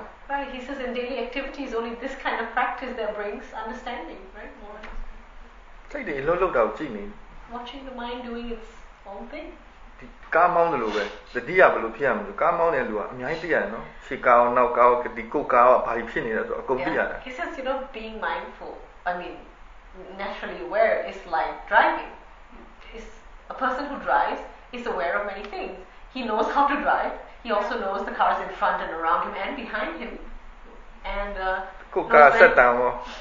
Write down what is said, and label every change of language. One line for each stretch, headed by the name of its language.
English: Right he says in daily activities only this kind of practice that brings understanding right more
Burmese: စိတ်တွေအလုပ်လုပ်တာကိုကြည့်နေ
English: watching the mind doing its own thing
Burmese: ဒီကားမောင်းတယ်လို့ပဲတတိယဘယ်လိုဖြစ်ရမလဲကားမောင်းတဲ့လူကအများကြီးသိရတယ်နော်ခြေကောင်နောက်ကောင်ဒီကိုယ်ကောင်ကဘာဖြစ်နေလဲဆိုအကုန်သိရတယ်
English: He says you know being mindful I mean naturally aware is like driving is a person who drives is aware of many things he knows how to drive he also knows the cars in front and around him and behind him and
Burmese: ကိုယ်ကောင်စက်တန်ရော